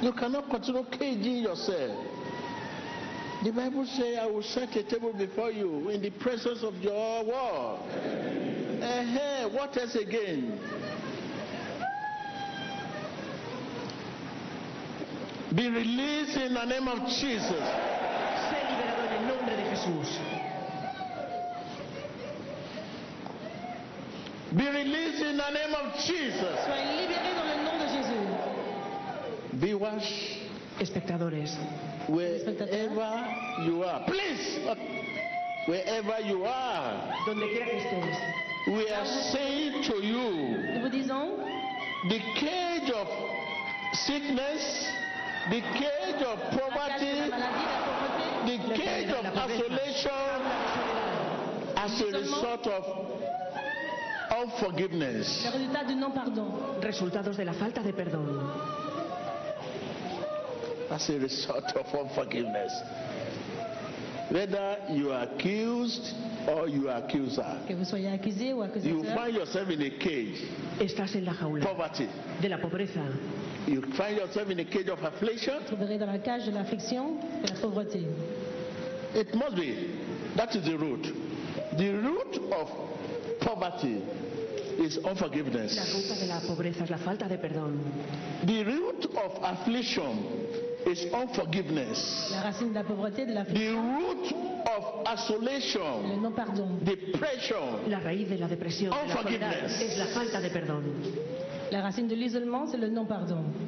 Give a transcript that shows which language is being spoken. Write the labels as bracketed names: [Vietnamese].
[English] You cannot continue caging yourself. The Bible says, I will set a table before you in the presence of your war. What else again? Be released in the name of Jesus. [Spanish] Sé liberado en el nombre de Jesús. [English] Be released in the name of Jesus. [Spanish] Soy liberado en el nombre de Jesús. [English] Viewers, [Spanish] espectadores, [English] wherever you are, please, wherever you are, [Spanish] donde quiera que estés, [English] we are saying to you, [French] nous disons, [English] the cage of sickness, the cage of poverty, the cage of isolation, as a result of unforgiveness. [French] Le résultat du non-pardon, résultats [Spanish] de la falta de perdón. [English] As a result of unforgiveness. Whether you are accused or you are accuser. [French] Que vous soyez accusé ou accusateur. [English] You find yourself in a cage. [Spanish] Estás en la jaula. [English] Poverty. [Spanish] De la pobreza. [English] You find yourself in a cage of affliction. [French] Vous trouverez dans la cage de l'affliction et la pauvreté. [English] It must be. That is the root. The root of poverty is unforgiveness. [Spanish] La causa de la pobreza es la falta de perdón. [English] The root of affliction is unforgiveness. [French] La racine de la pauvreté, de l'affliction. [English] The root of isolation. [French] Le non pardon. [English] Depression. [Spanish] La raíz de la depresión. [English] Unforgiveness. [Spanish] Es la falta de perdón. [French] La racine de l'isolement, c'est le non pardon.